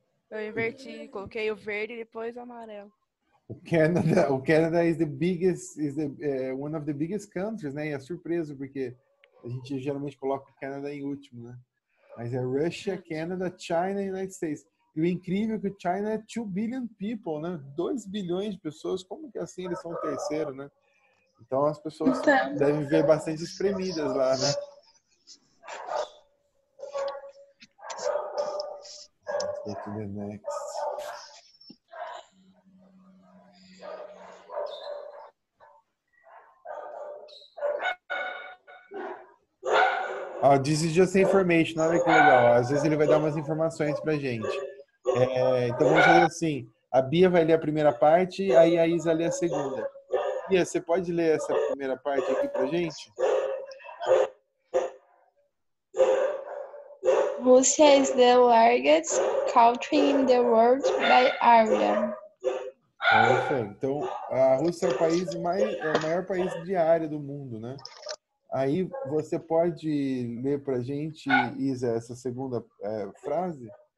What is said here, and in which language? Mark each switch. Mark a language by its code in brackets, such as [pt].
[pt] Eu inverti, coloquei o verde e depois o amarelo. [en] O Canada is the biggest, is the one of the biggest countries, né? [pt] E é surpreso porque a gente geralmente coloca o Canada em último, né? Mas é Russia, Canada, China e United States. E o incrível é que o China é [en] 2 billion people, [pt] né? 2 bilhões de pessoas. Como que assim eles são o terceiro, né? Então as pessoas devem ver bastante espremidas lá, né? [en] Let's go to the next. Oh, this is just information, [pt] olha que legal. Às vezes ele vai dar umas informações pra gente. É, então vamos fazer assim: a Bia vai ler a primeira parte, aí a Isa lê a segunda. Bia, você pode ler essa primeira parte aqui pra gente? [en] Russia is the largest country in the world by area. Okay. [pt] Então a Rússia é o maior país de área do mundo, né? Aí você pode ler para a gente, Isa, essa segunda frase?